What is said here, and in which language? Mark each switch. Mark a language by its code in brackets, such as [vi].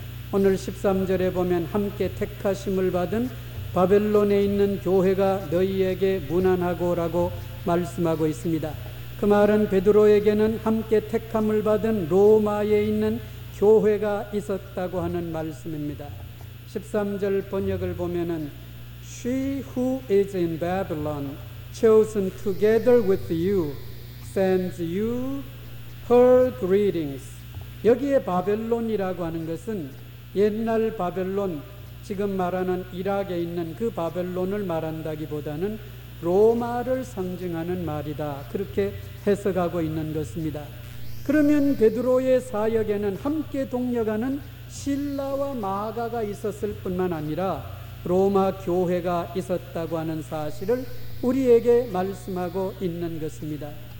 [ko] 오늘 13절에 보면 함께 택하심을 받은 바벨론에 있는 교회가 너희에게 무난하고라고 말씀하고 있습니다. 그 말은 베드로에게는 함께 택함을 받은 로마에 있는 교회가 있었다고 하는 말씀입니다. 13절 번역을 보면은 [en] She who is in Babylon chosen together with you sends you her greetings. [ko] 여기에 바벨론이라고 하는 것은 옛날 바벨론, 지금 말하는 이락에 있는 그 바벨론을 말한다기보다는 로마를 상징하는 말이다. 그렇게 해석하고 있는 것입니다. 그러면 베드로의 사역에는 함께 동역하는 실라와 마가가 있었을 뿐만 아니라 로마 교회가 있었다고 하는 사실을 우리에게 말씀하고 있는 것입니다.